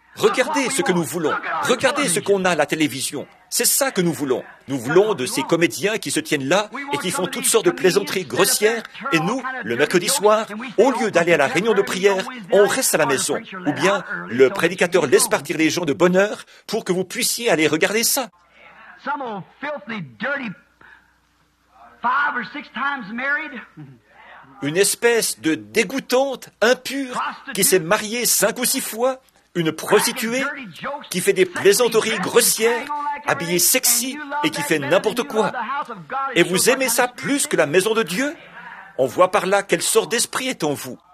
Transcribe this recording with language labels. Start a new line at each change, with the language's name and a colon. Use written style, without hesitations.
French: Regardez ce que nous voulons. Regardez ce qu'on a à la télévision. C'est ça que nous voulons. Nous voulons de ces comédiens qui se tiennent là et qui font toutes sortes de plaisanteries grossières. Et nous, le mercredi soir, au lieu d'aller à la réunion de prière, on reste à la maison. Ou bien le prédicateur laisse partir les gens de bonne heure pour que vous puissiez aller regarder ça.
English: Some old filthy, dirty, five or six times married.
French: Une espèce de dégoûtante, impure, qui s'est mariée 5 ou 6 fois, une prostituée, qui fait des plaisanteries grossières, habillée sexy, et qui fait n'importe quoi. Et vous aimez ça plus que la maison de Dieu? On voit par là quelle sorte d'esprit est en vous.